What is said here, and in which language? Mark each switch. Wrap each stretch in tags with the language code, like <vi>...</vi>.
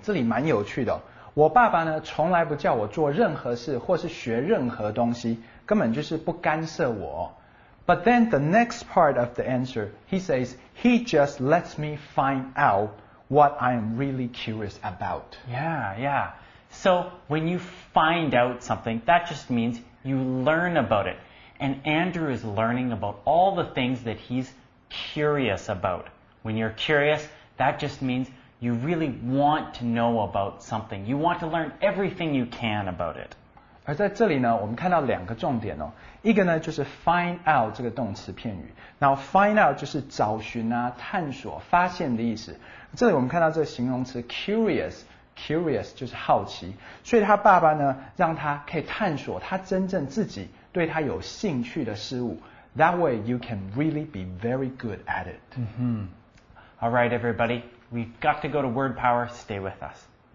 <zh>这里蛮有趣的、哦、我爸爸呢从来不叫我做任何事或是学任何东西，根本就是不干涉我。</zh> <en>But then the next part of the answer, he says, he just lets me find out what I'm really curious about. Yeah, yeah. So when you find out something, that just means you learn about it. And Andrew is learning about all the things that he's curious about. When you're curious, that just meansyou really want to know about something. You want to learn everything you can about it.</en> <zh>而在这里呢我们看到两个重点哦。一个呢就是 find out 这个动词片语。</zh> <en>Now find out</en> <zh>就是找寻啊探索发现的意思。这里我们看到这个形容词 curious, curious 就是好奇。所以他爸爸呢让他可以探索他真正自己对他有兴趣的事物。</zh> <en>That way you can really be very good at it.、 Mm-hmm. All right, everybody. We've got to go to Word Power. Stay with us.</en>